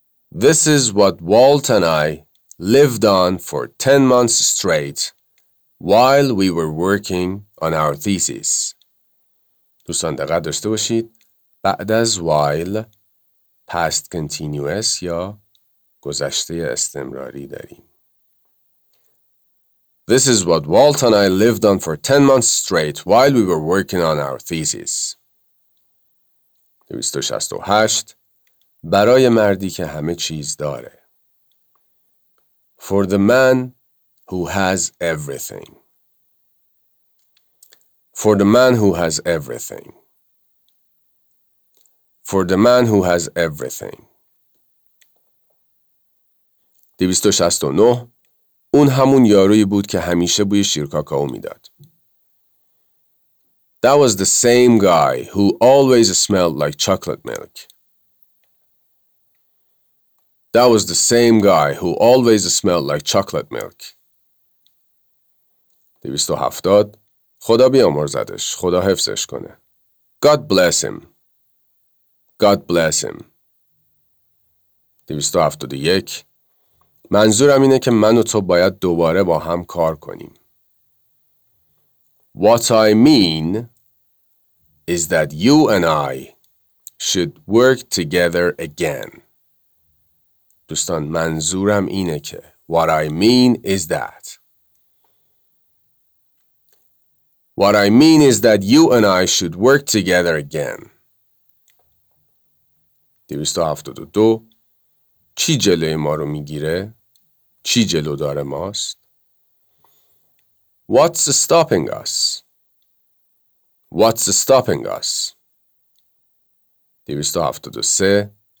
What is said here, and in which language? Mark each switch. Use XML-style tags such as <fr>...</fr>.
<en>This is what Walt and I lived on for 10 months straight while we were working on our thesis.</en> <fa>دوستان دقت داشته باشید. بعد از while past continuous یا گذشته استمراری داریم.</fa> <en>This is what Walt and I lived on for 10 months straight while we were working on our thesis.</en> <fa>268. برای مردی که همه چیز داره.</fa> <en>For the man who has everything. For the man who has everything. For the man who has everything.</en> <fa>269. اون همون یارویی بود که همیشه بوی شیر کاکائو میداد.</fa> <en>That was the same guy who always smelled like chocolate milk. That was the same guy who always smelled like chocolate milk.</en> <fa>270. خدا بیامرزدش. خدا حفظش کنه.</fa> <en>God bless him. God bless him.</en> <fa>271. منظورم اینه که من و تو باید دوباره با هم کار کنیم.</fa> <en>What I mean is that you and I should work together again.</en> <fa>دوستان منظورم اینه که</fa> <en>What I mean is that. What I mean is that you and I should work together again.</en> <fa>272. چی جلوی ما رو میگیره؟ چی جلو داره ماست؟</fa> <en>What's stopping us? What's stopping us? 273.</en>